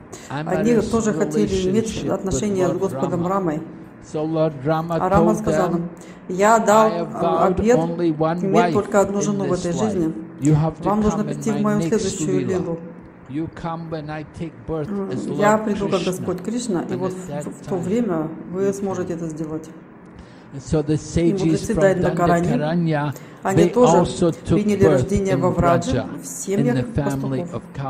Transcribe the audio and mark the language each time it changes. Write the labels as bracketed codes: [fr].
[ru] они тоже хотели иметь отношения с Господом Рамой. [en] So Lord Rama [ru] а Рама сказал [en] them, [ru] я дал обет иметь только одну жену в этой жизни. Вам нужно прийти в мою следующую лилу. [en] You come when I take birth as Lord [ru] я приду как Господь Кришна, и вот в то время вы сможете это сделать. [en] So the sages from Дандакаранья, [ru] они тоже приняли рождение во Врадже, в семьях пастухов.